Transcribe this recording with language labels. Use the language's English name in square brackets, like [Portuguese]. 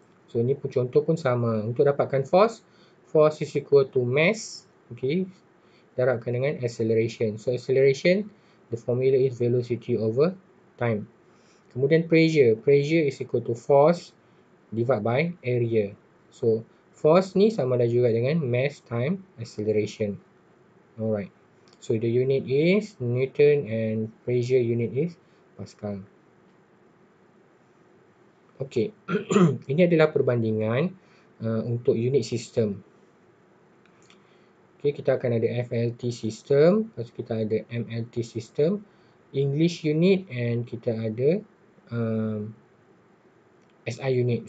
[Malay] So ni pun contoh pun sama. Untuk dapatkan force, [English] force is equal to mass, [Malay] okay, darabkan dengan acceleration. [English] So acceleration, the formula is velocity over time. Kemudian pressure, pressure is equal to force divided by area. [Malay] So force ni sama ada juga dengan mass time acceleration. [English] Alright. So the unit is Newton and pressure unit is Pascal. [Malay] Okay, ini adalah perbandingan untuk unit sistem. Okay, kita akan ada FLT sistem, lepas kita ada MLT sistem, English unit and kita ada SI unit.